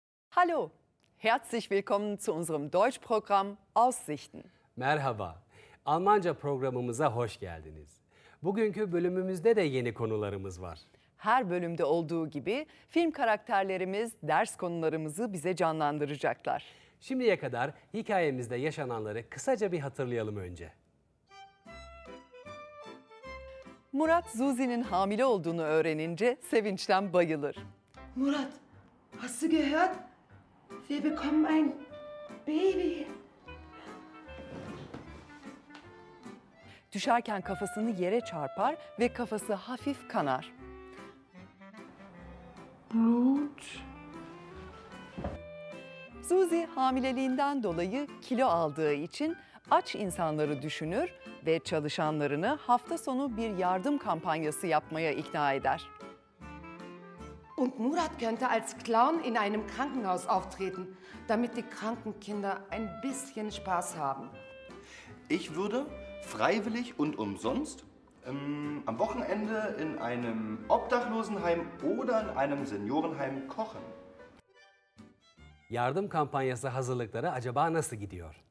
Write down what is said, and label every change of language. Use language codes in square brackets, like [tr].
[de] Hallo, herzlich willkommen zu unserem Deutschprogramm Aussichten. [tr] Merhaba, Almanca programımıza hoş geldiniz. Bugünkü bölümümüzde de yeni konularımız var. Her bölümde olduğu gibi film karakterlerimiz ders konularımızı bize canlandıracaklar. Şimdiye kadar hikayemizde yaşananları kısaca bir hatırlayalım önce. Murat, Zuzi'nin hamile olduğunu öğrenince sevinçten bayılır. [de] Murat, hast du gehört? Wir bekommen ein Baby. [tr] Düşerken kafasını yere çarpar ve kafası hafif kanar. [de] Blut. [tr] Zuzi hamileliğinden dolayı kilo aldığı için aç insanları düşünür ve çalışanlarını hafta sonu bir yardım kampanyası yapmaya ikna eder. [de] Und Murat könnte als Clown in einem Krankenhaus auftreten, damit die kranken Kinder ein bisschen Spaß haben. Ich würde freiwillig und umsonst am Wochenende in einem Obdachlosenheim oder in einem Seniorenheim kochen. [tr] Yardım kampanyası hazırlıkları acaba nasıl gidiyor?